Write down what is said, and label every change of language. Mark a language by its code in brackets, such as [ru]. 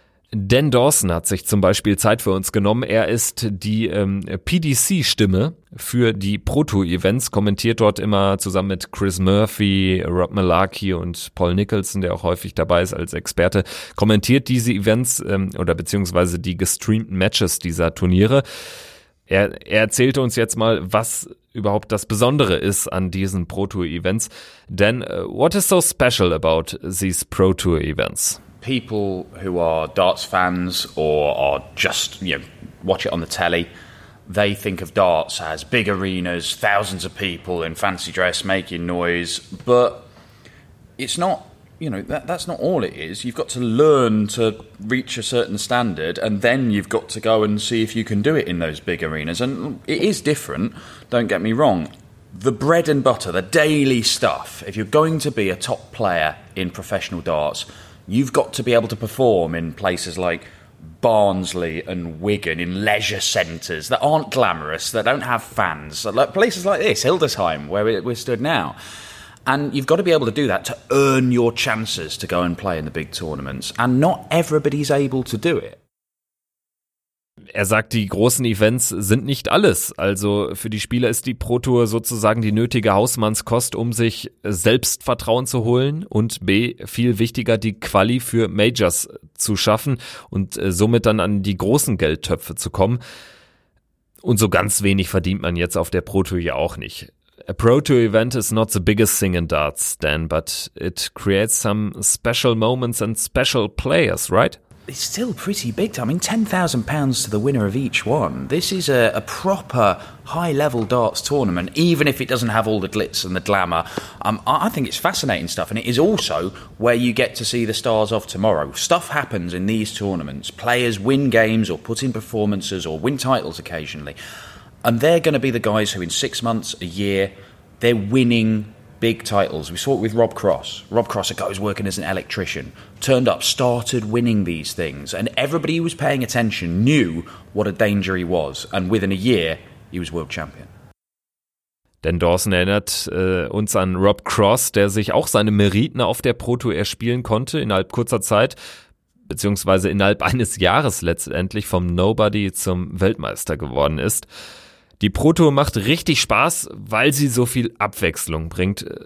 [de] Dan Dawson hat sich zum Beispiel Zeit für uns genommen. Er ist die PDC-Stimme für die Pro-Tour-Events, kommentiert dort immer zusammen mit Chris Murphy, Rob Malarkey und Paul Nicholson, der auch häufig dabei ist als Experte, kommentiert diese Events oder beziehungsweise die gestreamten Matches dieser Turniere. Er erzählte uns jetzt mal, was überhaupt das Besondere ist an diesen Pro-Tour-Events. [en] Dan, what is so special about these Pro-Tour-Events? People who are darts fans or are just, you know, watch it on the telly, they think of darts as big arenas, thousands of people in fancy dress making noise. But it's not, you know, that's not all it is. You've got to learn to reach a certain standard, and then you've got to go and see if you can do it in those big arenas. And it is different, don't get me wrong. The bread and butter, the daily stuff, if you're going to be a top player in professional darts, you've got to be able to perform in places like Barnsley and Wigan, in leisure centres that aren't glamorous, that don't have fans, like places like this, Hildesheim, where we're stood now. And you've got to be able to do that to earn your chances to go and play in the big tournaments. And not everybody's able to do it. [de] Er sagt, die großen Events sind nicht alles. Also für die Spieler ist die Pro Tour sozusagen die nötige Hausmannskost, um sich Selbstvertrauen zu holen und B, viel wichtiger, die Quali für Majors zu schaffen und somit dann an die großen Geldtöpfe zu kommen. Und so ganz wenig verdient man jetzt auf der Pro Tour ja auch nicht. [en] A Pro Tour Event is not the biggest thing in darts, Dan, but it creates some special moments and special players, right? It's still pretty big. I mean, £10,000 to the winner of each one. This is a proper high-level darts tournament, even if it doesn't have all the glitz and the glamour. I think it's fascinating stuff, and it is also where you get to see the stars of tomorrow. Stuff happens in these tournaments. Players win games or put in performances or win titles occasionally, and they're going to be the guys who in 6 months, a year, they're winning big titles. We saw it with Rob Cross. Rob Cross, a guy who's working as an electrician, turned up, started winning these things. And everybody who was paying attention knew what a danger he was. And within a year, he was world champion. [de] Dan Dawson erinnert uns an Rob Cross, der sich auch seine Meriten auf der Pro Tour erspielen konnte innerhalb kurzer Zeit, beziehungsweise innerhalb eines Jahres letztendlich vom Nobody zum Weltmeister geworden ist. Die Pro Tour macht richtig Spaß, weil sie so viel Abwechslung bringt.